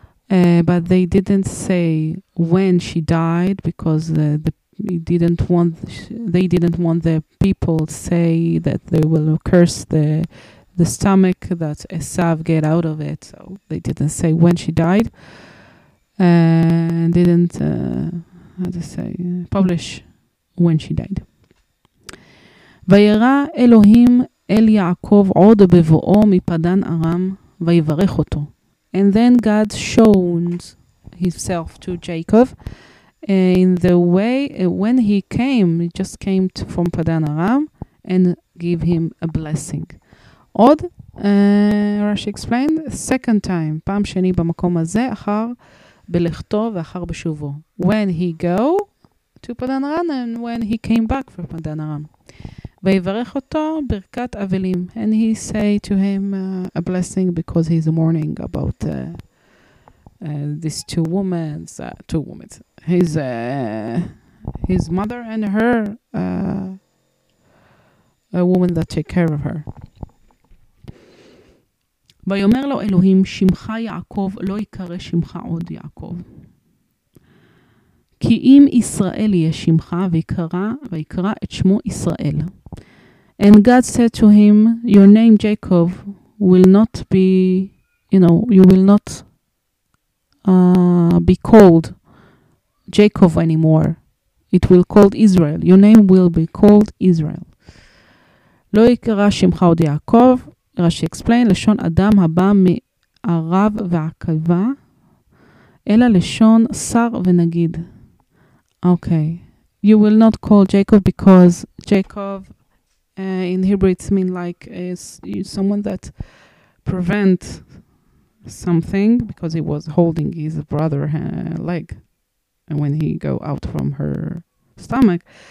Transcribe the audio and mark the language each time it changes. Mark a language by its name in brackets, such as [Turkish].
[English] But they didn't say when she died because they didn't want the people to say that they will curse the stomach that Esav get out of it. So they didn't say when she died. Didn't publish when she died. [Hebrew] וירא אלוהים אל יעקב עוד בבואו מפדן ארם ויברך אותו. [English] And then God showed himself to Jacob in the way when he came, he just came from Padan Aram and gave him a blessing. [Hebrew] עוד, רש"י [English] explained, second time, [Hebrew] פעם שני במקום הזה, אחר בלכתו ואחר בשובו. [English] When he go to Padanaran and when he came back from Padanaran. [Hebrew] ויברך אותו ברכת אבלים. [English] And he say to him a blessing because he's mourning about these two women, his mother and her a woman that take care of her. [Hebrew] ויאמר לו אלוהים שמך יעקב לא יקרא שמך עוד יעקב. כי אם ישראל יהיה שמך ויקרא את שמו ישראל. [English] And God said to him, your name Jacob will not be, you know, you will not be called Jacob anymore. It will called Israel. Your name will be called Israel. [Hebrew] לא יקרא שמך עוד יעקב, רש"י explain, לשון אדם הבא מערב ועקבה, אלא לשון שר ונגיד. [English] Okay. You will not call Jacob because Jacob in Hebrew it's mean like someone that prevent something because he was holding his brother leg and when he go out from her stomach.